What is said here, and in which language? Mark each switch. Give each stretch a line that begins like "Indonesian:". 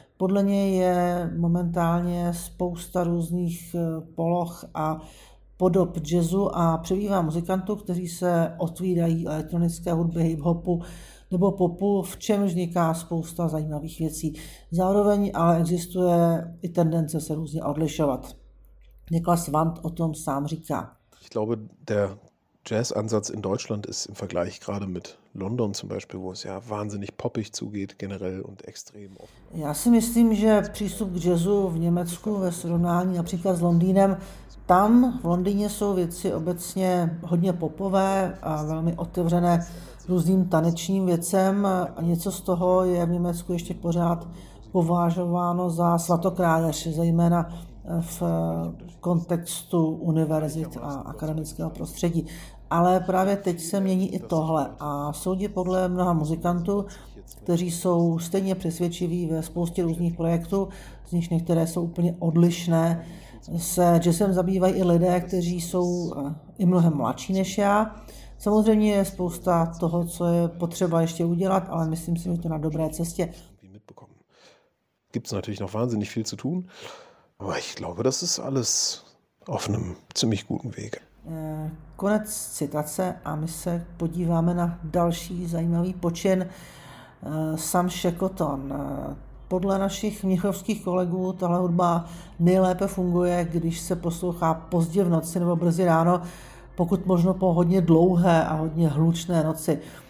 Czech: Podle něj je momentálně spousta různých poloh a podob jazzu a přibývá muzikantů, kteří se otvírají elektronické hudby, hip-hopu nebo popu, v čem vzniká spousta zajímavých věcí. Zároveň ale existuje i tendence se různě odlišovat. Niklas Wand o tom sám říká.
German: Ich glaube, der Jazz-Ansatz in Deutschland ist im Vergleich gerade mit London zum Beispiel, wo es ja wahnsinnig poppig zugeht generell und extrem offen.
Czech: Já si myslím, že přístup k jazzu v Německu ve srovnání například s Londýnem, tam v Londýně jsou věci obecně hodně popové a velmi otevřené různým tanečním věcem a něco z toho je v Německu ještě pořád považováno za svatokrádež, zejména v kontextu univerzit a akademického prostředí. Ale právě teď se mění i tohle a soudě podle mnoha muzikantů, kteří jsou stejně přesvědčiví ve spoustě různých projektů, z nich některé jsou úplně odlišné, se jazzem zabývají i lidé, kteří jsou i mnohem mladší než já. Samozřejmě je spousta toho, co je potřeba ještě udělat, ale myslím si, že to na dobré cestě.
German: Gibt's natürlich noch wahnsinnig viel zu tun. Aber ich glaube, das ist alles auf einem ziemlich guten Weg.
Czech: Konec citace a my se podíváme na další zajímavý počin. Sam Shackleton. Podle našich mnichovských kolegů tahle hudba nejlépe funguje, když se poslouchá pozdě v noci nebo brzy ráno, pokud možno po hodně dlouhé a hodně hlučné noci.